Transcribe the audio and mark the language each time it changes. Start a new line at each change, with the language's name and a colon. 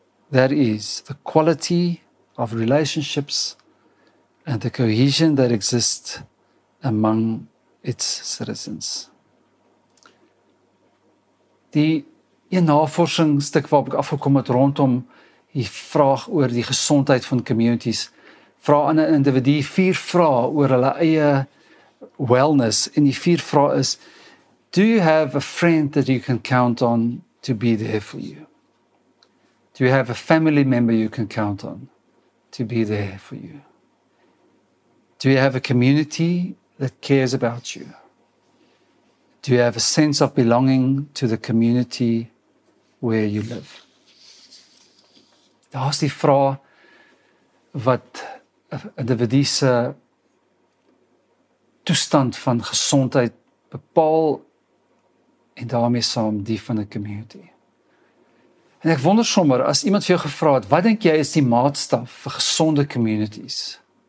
English: That is, the quality of relationships and the cohesion that exists among its citizens.
Afrikaans: Die een navorsingsstuk waarop ek afgekom het rondom die vraag oor die gesondheid van communities, vra aan 'n individu 4 vrae oor hulle eie wellness. En die 4 vrae is:
English: do you have a friend that you can count on to be there for you? Do you have a family member you can count on to be there for you? Do you have a community that cares about you? Do you have a sense of belonging to the community where you live?
Afrikaans: Daar's die vraag wat 'n individu se toestand van gesondheid bepaal en daarmee saam die van 'n community. En ek wonder sommer, as iemand vir jou gevra het, wat dink jy is die maatstaf vir gesonde communities?